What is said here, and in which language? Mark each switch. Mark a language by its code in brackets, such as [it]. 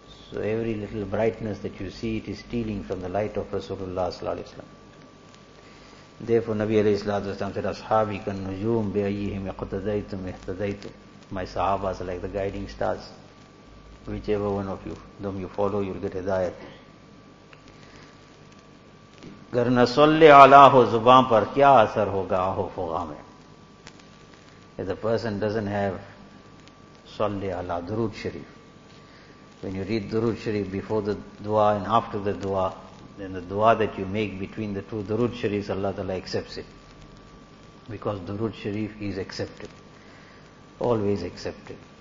[en] So every little brightness that you see, it is stealing from the light of Rasulullah sallallahu alaihi wasallam. Therefore Nabi alayhi sallallahu alaihi wasallam said, [ar] "Ashabi kan nujum bi ayyihim iqtadaytum ihtadaytum." [en] My sahabas are like the guiding stars. Whichever one of you, them you follow, you'll get hidayat. [ur] گر نہ صلی علی ہو زبان پر کیا اثر ہوگا آہ و فغاں میں. [en] If the person doesn't have صلی علی درود شریف, when you read درود شریف before the dua and after the dua, then the dua that you make between the two درود شریف, اللہ تعالیٰ accepts it, because درود شریف is accepted, always accepted.